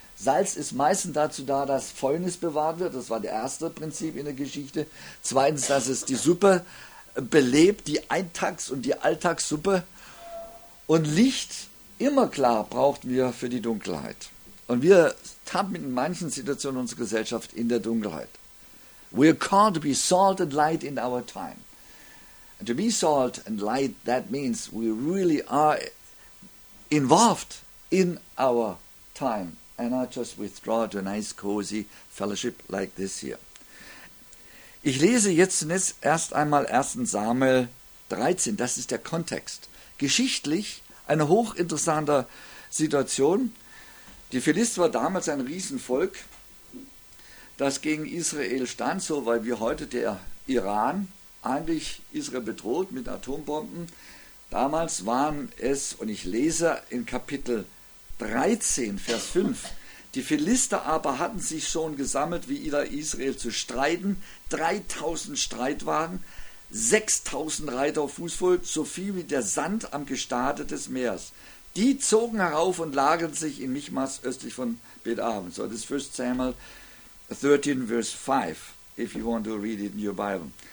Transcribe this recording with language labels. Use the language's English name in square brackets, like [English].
[German] Salz ist meistens dazu da, dass Fäulnis bewahrt wird. Das war der erste Prinzip in der Geschichte. Zweitens, dass es die Suppe belebt, die Eintags- und die Alltagssuppe. Und Licht, immer klar, brauchen wir für die Dunkelheit. Und wir tappen in manchen Situationen unserer Gesellschaft in der Dunkelheit. [English] We are called to be salt and light in our time. And to be salt and light, that means we really are involved in our time and not just withdraw to a nice cozy fellowship like this here. [German] Ich lese jetzt zunächst erst einmal 1. Samuel 13. Das ist der Kontext. Geschichtlich eine hochinteressante Situation. Die Philister war damals ein Riesenvolk, das gegen Israel stand, so weil wir heute der Iran eigentlich Israel bedroht mit Atombomben. Damals waren es, und ich lese in Kapitel 13, Vers 5, die Philister aber hatten sich schon gesammelt, wie Israel zu streiten, 3000 Streitwagen, 6000 Reiter auf Fußvolk, so viel wie der Sand am Gestade des Meers. Die zogen herauf und lagerten sich in Michmas östlich von Bet-Aven. [English] So, this is 1 Samuel 13, verse 5, if you want to read it in your Bible.